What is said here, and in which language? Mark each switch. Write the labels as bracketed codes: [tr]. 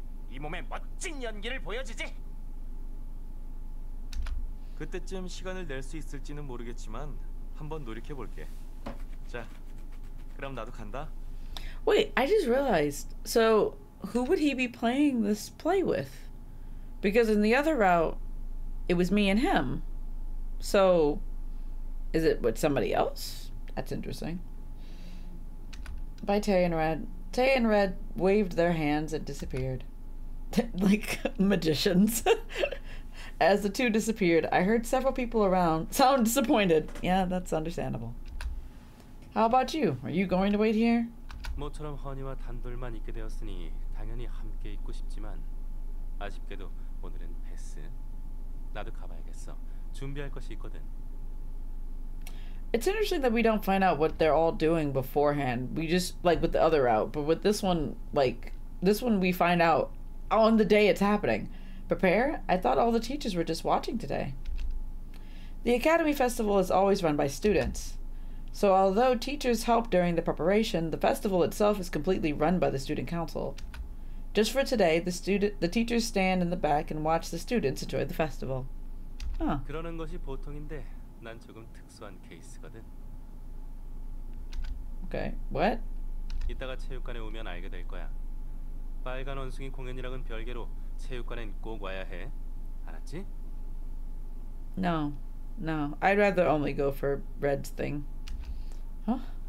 [ko] 이 몸에 멋진 연기를 보여주지. 그때쯤 시간을 낼 수 있을지는 모르겠지만 한번 노력해 볼게. 자, 그럼 나도 간다. [en] Wait, I just realized. So, who would he be playing this play with? Because in the other route, it was me and him. So, is it with somebody else? That's interesting. Bye, Tay and Red. Tay and Red waved their hands and disappeared. Like magicians. As the two disappeared, I heard several people around sound disappointed. Yeah, that's understandable. How about you? Are you going to wait here? [ko] 모처럼 허니와 단둘만 있게 되었으니 당연히 함께 있고 싶지만 아쉽게도 오늘은 패스. 나도 가봐야겠어. 준비할 것이 있거든. [en] It's interesting that we don't find out what they're all doing beforehand. We just, like, with the other route. But with this one, like, this one we find out on the day it's happening. Prepare? I thought all the teachers were just watching today. The Academy Festival is always run by students. So although teachers help during the preparation, the festival itself is completely run by the student council. Just for today, the teachers stand in the back and watch the students enjoy the festival. [ko] Huh. 그러는 것이 보통인데. 난 조금 특수한 케이스거든. [en] Okay, what? [ko] 이따가 체육관에 오면 알게 될 거야. 빨간 원숭이 공연이랑은 별개로 체육관엔 꼭 와야 해. 알았지? [en] No. I'd rather only go for Red's thing. Huh?